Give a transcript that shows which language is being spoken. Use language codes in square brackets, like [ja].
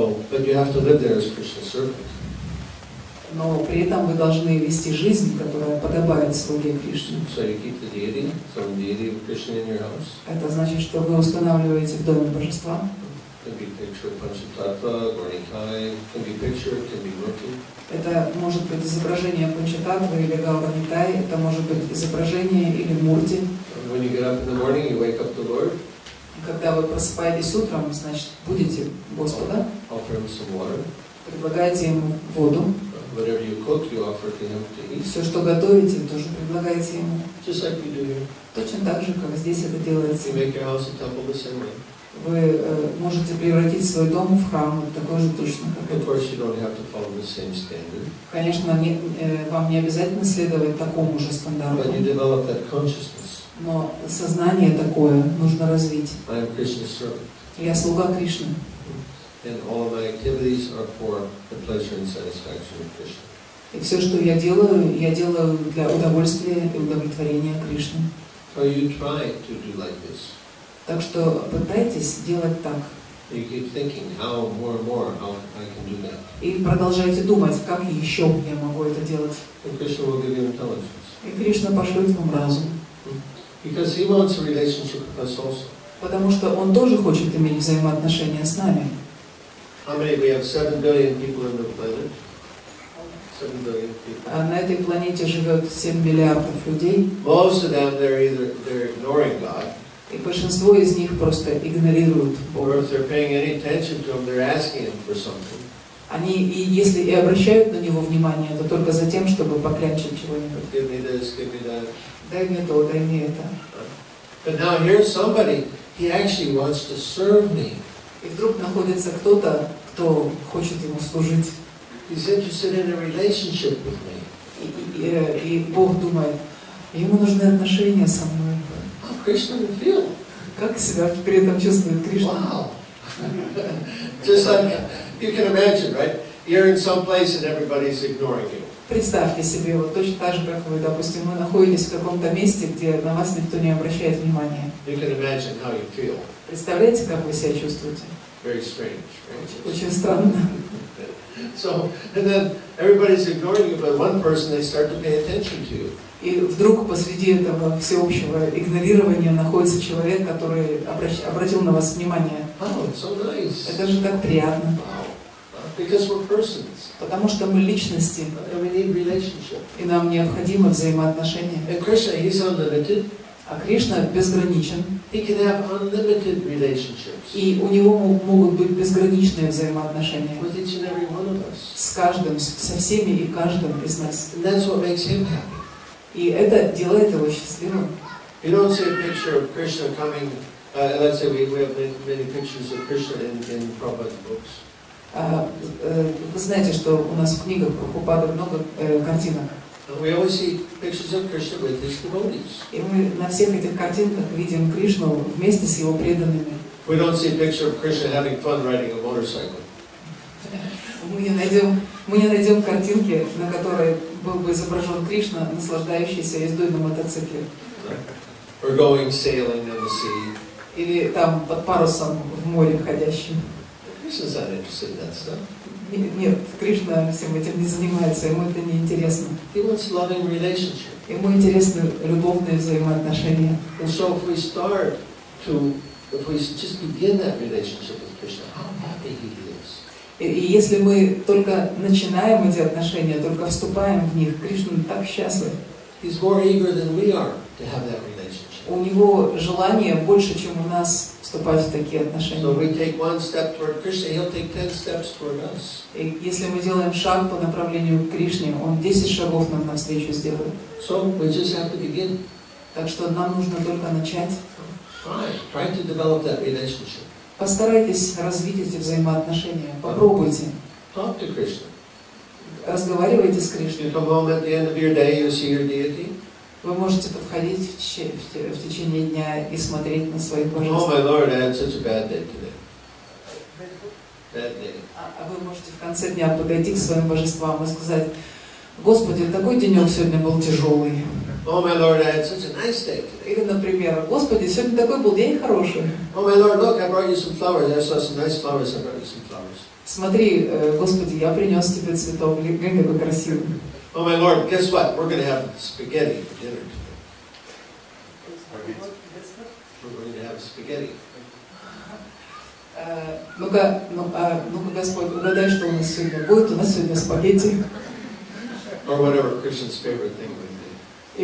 [en] But you have to live there as Krishna's servant. [ru] Но при этом вы должны вести жизнь, которая подобает слуге Кришне. [en] So you keep the deity, some deity of Krishna in your house. [ru] Это значит, что вы устанавливаете в доме божества. [en] Can be picture Panchatattva, Gaurikai, can be picture, can be murti. [ru] Это может быть изображение Панчататвы или Гауранитай, это может быть изображение или мурти. [en] When you get up in the morning, you wake up the Lord. [ru] И когда вы просыпаетесь утром, значит, будете Господа. [en] Offer him some water. [ru] Предлагаете ему воду. [en] Whatever you cook, you offer to him to eat. [ru] Все, что готовите, тоже предлагаете ему. [en] Just like we do here. [ru] Точно так же, как здесь это делается. [en] You make your house a temple the same way. [ru] Вы можете превратить свой дом в храм, такой же точно, как это. [en] Of course, you don't have to follow the same standard. [ru] Конечно, вам не обязательно следовать такому же стандарту. [en] But you develop that consciousness. [ru] Но сознание такое нужно развить. [en] I am Krishna's servant. [ru] Я слуга Кришны. [en] And all of my activities are for the pleasure and satisfaction of Krishna. [ru] И все, что я делаю для удовольствия и удовлетворения Кришны. [en] So you try to do like this. [ru] Так что пытайтесь делать так. [en] You keep thinking, how more and more, how I can do that. [ru] И продолжайте думать, как еще я могу это делать. [en] And Krishna will give you intelligence. [ru] И Кришна пошлет вам разум. [en] Because he wants a relationship with us also. [ru] Потому что он тоже хочет иметь взаимоотношения с нами. [en] How many? We have 7 billion people on the planet. 7 billion people. [ru] А на этой планете живет 7 миллиардов людей. [en] Most of them, they're ignoring God. [ru] И большинство из них просто игнорируют Бога. [en] Or if they're paying any attention to him, they're asking him for something. [ru] Они, и если и обращают на него внимание, то только за тем, чтобы поклянчить чего-нибудь. [en] Give me this, give me that. [ru] Дай мне то, дай мне это. [en] But now here's somebody, he actually wants to serve me. [ru] И вдруг находится кто-то, кто хочет ему служить. [en] He's interested in a relationship with me. [ru] И Бог думает, ему нужны отношения со мной. [en] How Krishna would feel? [ru] Как себя при этом чувствует Кришна? [en] Wow. Just like you can imagine, right? You're in some place and everybody's ignoring you. [ru] Представьте себе, вот точно так же, как вы, допустим, вы находитесь в каком-то месте, где на вас никто не обращает внимания. [en] You can imagine how you feel. [ru] Представляете, как вы себя чувствуете? [en] Very strange, right? [ru] Очень странно. [en] So, and then everybody's ignoring you, but one person, they start to pay attention to you. [ru] И вдруг посреди этого всеобщего игнорирования находится человек, который обратил на вас внимание. [en] Oh, it's so nice. [ru] Это же так приятно. [en] Because we're persons. [ru] Потому что мы личности. [en] And we need relationship. [ru] И нам необходимо взаимоотношения. [en] And Krishna, he's unlimited. [ru] А Кришна безграничен. [en] He can have unlimited relationships. [ru] И у него могут быть безграничные взаимоотношения. [en] With each and every one of us. [ru] С каждым, со всеми и каждым из нас. [en] And that's what makes him happy. [ru] И это делает его счастливым. [en] You don't see a picture of Krishna coming. Let's say we have many pictures of Krishna in Prabhupada's books. [ru] Вы знаете, что у нас в книгах Прабхупады много картинок. [en] We always see pictures of Krishna with his devotees. [ru] И мы на всех этих картинках видим Кришну вместе с его преданными. [en] We don't see a picture of Krishna having fun riding a motorcycle. [ru] Мы не найдем картинки, на которой был бы изображен Кришна, наслаждающийся ездой на мотоцикле. [en] Or going sailing in the sea. [ru] Или там под парусом в море ходящим. [en] Krishna's not interested in that stuff. [ru] Нет, Кришна всем этим не занимается, ему это не интересно. [en] He wants loving relationship. [ru] Ему интересны любовные взаимоотношения. [en] And so if we start to, if we just begin that relationship with Krishna, how happy he is. [ru] И если мы только начинаем эти отношения, только вступаем в них, Кришна так счастлив. [en] He's more eager than we are to have that relationship. [ru] У него желание больше, чем у нас. Вступать в такие отношения. [en] So we take one step toward Krishna, he'll take 10 steps toward us. [ru] И если мы делаем шаг по направлению к Кришне, он 10 шагов нам навстречу сделает. [en] So we just have to begin. [ru] Так что нам нужно только начать. [en] Try to develop that relationship. [ru] Постарайтесь развить эти взаимоотношения. Попробуйте. [en] Talk to Krishna. [ru] Разговаривайте с Кришной. [en] You come home at the end of your day, you see your deity. [ru] Вы можете подходить в течение дня и смотреть на свои божества. [en] Oh, my Lord, I had such a bad day today. [ru] А вы можете в конце дня подойти к своим божествам и сказать: Господи, такой денек сегодня был тяжелый. [en] Oh, my Lord, I had such a nice day today. [ru] Или, например, Господи, сегодня такой был день хороший. [en] Oh, my Lord, look, I brought you some flowers. I saw some nice flowers. I brought you some flowers. [ru] Смотри, Господи, я принес тебе цветок. Гляди, какой красивый. [en] Oh my Lord, guess what? We're going to have spaghetti for dinner today. What? We're going to have spaghetti. [ru] Ну-ка, Господь, угадай, что у нас сегодня будет. У нас сегодня спагетти. [en] Or whatever Krishna's favorite thing would be.